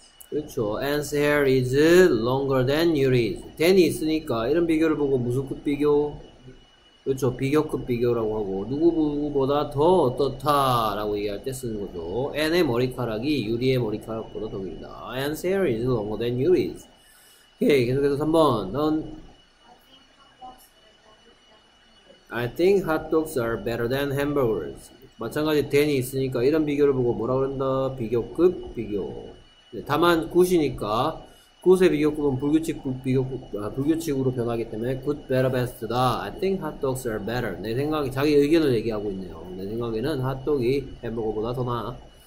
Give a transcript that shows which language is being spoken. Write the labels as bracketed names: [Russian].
[Korean] 그렇죠. [English] Anne's hair is longer than Yuri's. [Korean] Dan이 있으니까 이런 비교를 보고 무슨 급 비교? 그렇죠. 비교급 비교라고 하고 누구보다 더 어떻다라고 얘기할 때 쓰는 거죠. Anne의 머리카락이 유리의 머리카락보다 더 길다. [English] Anne's hair is longer than Yuri's. [Korean] 오케이. 계속해서 3번. [English] 넌 I think hot dogs are better than hamburgers. [Korean] 마찬가지 Dan이 있으니까 이런 비교를 보고 뭐라 그런다? 비교급 비교. 다만 굿이니까 굿의 비교급은 불규칙으로 변하기 때문에 굿, 베터, 베스트다. [English] I think hot dogs are better. [Korean] 내 생각에 자기 의견을 얘기하고 있네요. 내 생각에는 핫도그가 햄버거보다 더 나아.